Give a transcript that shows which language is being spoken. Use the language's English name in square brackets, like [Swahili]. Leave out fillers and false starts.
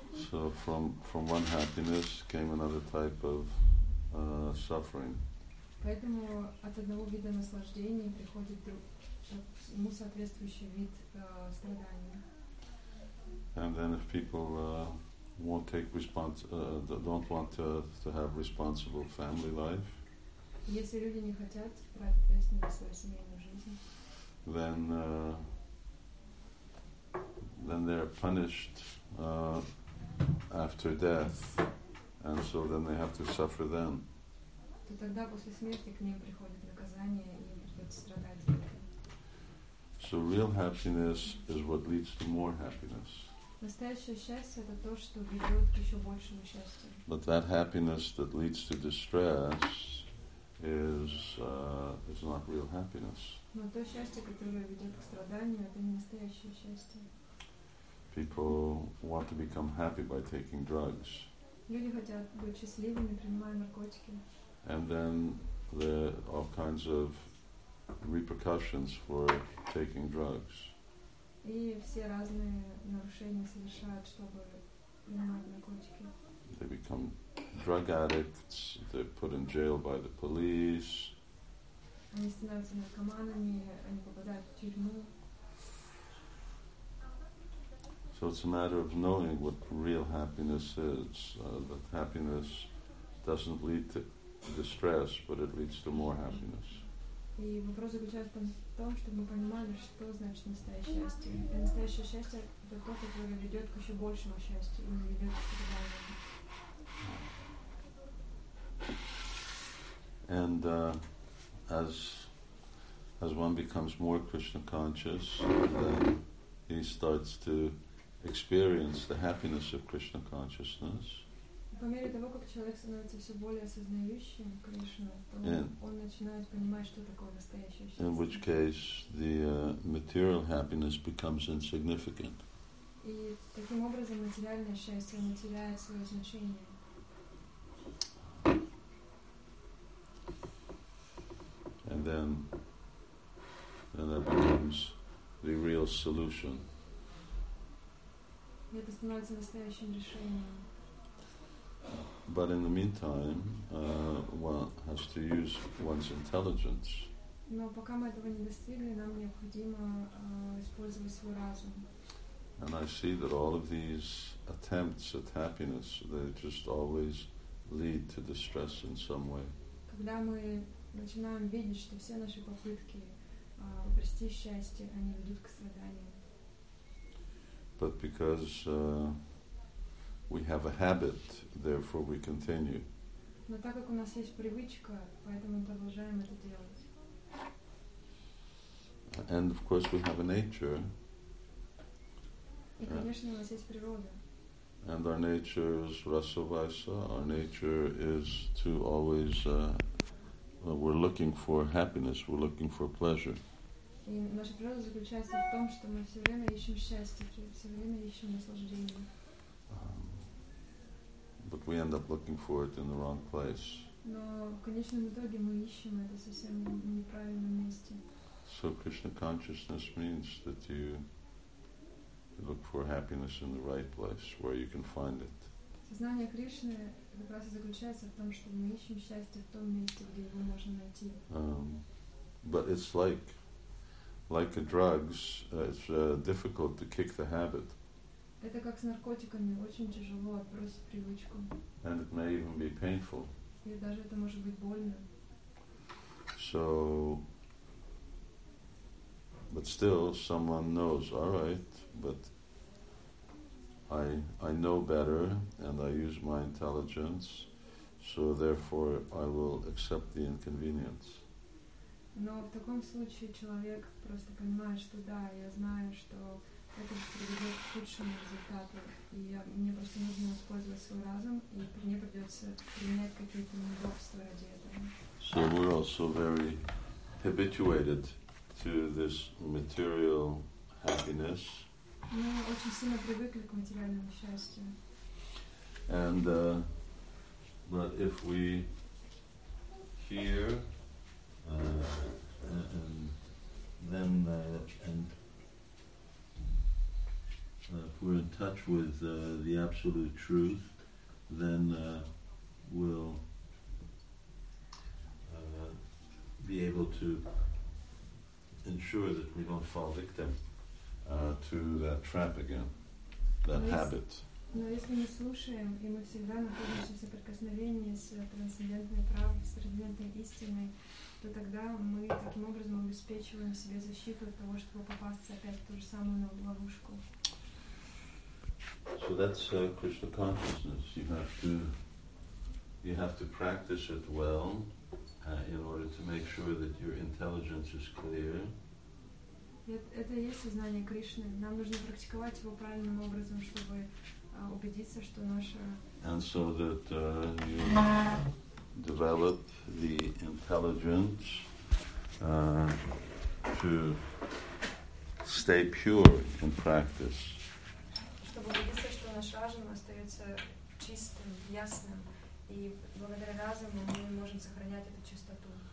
[English] So from one happiness came another type of suffering. [Russian] Поэтому от одного вида наслаждения приходит другой. Ему соответствующий вид страдания. [English] And then if people won't take don't want to have responsible family life. [Russian] Если люди не хотят брать ответственность за свою семейную жизнь. [English] Then they're punished after death, and so then they have to suffer then. [Russian] То тогда после смерти к ним приходит наказание и придется страдать. [English] So real happiness is what leads to more happiness. [Russian] Настоящее счастье — это то, что ведет к еще большему счастью. [English] But that happiness that leads to distress is not real happiness. [Russian] Но то счастье, которое ведет к страданию, это не настоящее счастье. [English] People want to become happy by taking drugs. [Russian] Люди хотят быть счастливыми, принимая наркотики. [English] And then there are all kinds of repercussions for taking drugs. [Russian] И все разные нарушения совершают, чтобы принимать наркотики. [English] They become drug addicts. They're put in jail by the police. [Russian] Они становятся наркоманами. Они попадают в тюрьму. [English] So it's a matter of knowing what real happiness is, that happiness doesn't lead to distress, but it leads to more happiness. [Russian] И вопрос заключается в том, чтобы мы понимали, что значит настоящее счастье. И настоящее счастье – это то, которое ведет к еще большему счастью и ведет к другому. [English] And as one becomes more Krishna conscious, he starts to experience the happiness of Krishna consciousness. [Russian] По мере того, как человек становится все более осознающим Кришну, он начинает понимать, что такое настоящее счастье. [English] In which case, the material happiness becomes insignificant. [Russian] И таким образом материальное счастье не теряет свое значение. [English] And then that becomes the real solution. [Russian] И это становится настоящим решением. [English] But in the meantime, one has to use one's intelligence. [Russian] Но пока мы этого не достигли, нам необходимо использовать свой разум. [English] And I see that all of these attempts at happiness, they just always lead to distress in some way. [Russian] Когда мы начинаем видеть, что все наши попытки обрести счастье, они ведут к страданию. [English] But because we have a habit, therefore we continue. [Russian] Но так как у нас есть привычка, поэтому мы продолжаем это делать. [English] And of course we have a nature. [Russian] И, конечно, у нас есть природа. [English] And our nature is rasa-vaisa. Our nature is to always we're looking for happiness, we're looking for pleasure. [Russian] И наша природа заключается в том, что мы все время ищем счастье, все время ищем наслаждение. [English] But we end up looking for it in the wrong place. [Russian] Но в конечном итоге мы ищем это совсем в неправильном месте. [English] So Krishna consciousness means that you look for happiness in the right place where you can find it. [Russian] Сознание Кришны как раз и заключается в том, что мы ищем счастье в том месте, где его можно найти. [English] But it's like a drugs, it's difficult to kick the habit. [Russian] Это как с наркотиками, очень тяжело отбросить привычку. [English] And it may even be painful. [Russian] И даже это может быть больно. [English] So, but still, someone knows, all right, but I know better, and I use my intelligence, so therefore I will accept the inconvenience. [Russian] Но в таком случае человек просто понимает, что да, я знаю, что это приведет к худшему результату, и мне просто нужно использовать свой разум, и мне придется применять какие-то неудобства ради этого. [English] So we're also very habituated to this material happiness. [Russian] Мы очень сильно привыкли к материальному счастью. [English] And but if we hear if we're in touch with the absolute truth, then we'll be able to ensure that we don't fall victim to that trap again, that habit. [Russian] Но если мы слушаем, и мы всегда находимся в соприкосновении с трансцендентной правдой, с трансцендентной истиной, то тогда мы таким образом обеспечиваем себе защиту от того, чтобы попасться опять в ту же самую ловушку. [English] So that's Krishna consciousness. You have to practice it well in order to make sure that your intelligence is clear. [Russian] Это и есть сознание Кришны. Нам нужно практиковать его правильным образом, чтобы убедиться, что наша. [English] And so that you develop the intelligence to stay pure in practice. [Russian] Чтобы убедиться, что наш разум остается чистым, ясным, и благодаря разуму мы можем сохранять эту чистоту.